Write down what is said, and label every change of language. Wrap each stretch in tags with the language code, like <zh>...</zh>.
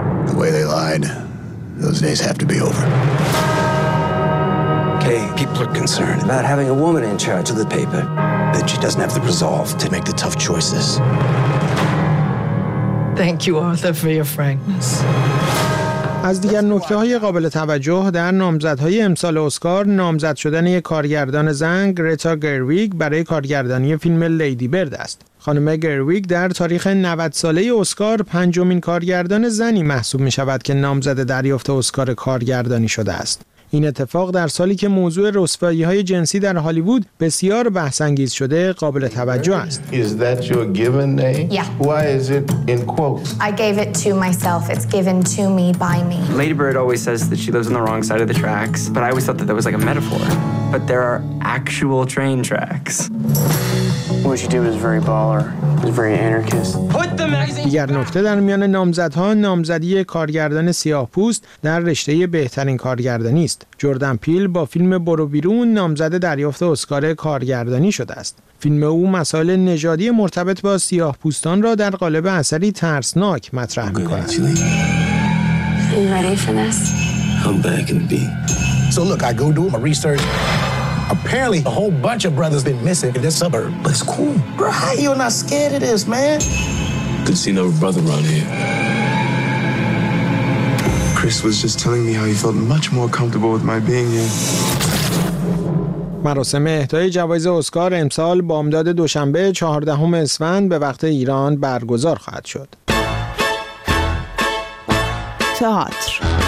<en>The way they lied, those days have to be over. Kay, people are concerned about having a woman in charge of the paper. That she doesn't have the resolve to make the tough choices. Thank you, Arthur, for your frankness.</en> <fa>از دیگر نکته های قابل توجه در نامزدهای امسال اسکار نامزد شدن یک کارگردان زن گریتا گروگ برای کارگردانی فیلم لیدی برد است. خانم گروگ در تاریخ 90 ساله اسکار پنجمین کارگردان زنی محسوب می شود که نامزد دریافت اسکار کارگردانی شده است. این اتفاق در سالی که موضوع رسوایی های جنسی در هالیوود بسیار بحث انگیز شده قابل توجه است.</fa> <en>Is that your given name? Yeah. Why is it in quotes? I gave it to myself. It's given to me by me. Lady Bird always says that she lives on the wrong side of the tracks, but I always thought that that was like a metaphor. But there are actual train tracks. What she did was very baller. It was very anarchist. Put the magazine.</en> <fa>دیگر نکته در میان نامزدها نامزدی کارگردان سیاه‌پوست در رشته بهترین کارگردانی است. جردن پیل با فیلم برو بیرون نامزد دریافت اسکار کارگردانی شده است. فیلم او مسائل نژادی مرتبط با سیاه‌پوستان را در قالب اثری ترسناک مطرح می‌کند.</fa> <en>Are you ready for this? I'm back in the beat. So look, I go do my research. Apparently, a whole bunch of brothers been missing in this suburb. But it's cool. Bro, how you not scared of this, man? Couldn't see no brother around here. Chris was just telling me how he felt much more comfortable with my being here.</en> <fa>مراسم اهدای جوایز اسکار امسال بامداد دوشنبه 14 اسفند به وقت ایران برگزار خواهد شد. تئاتر.</fa>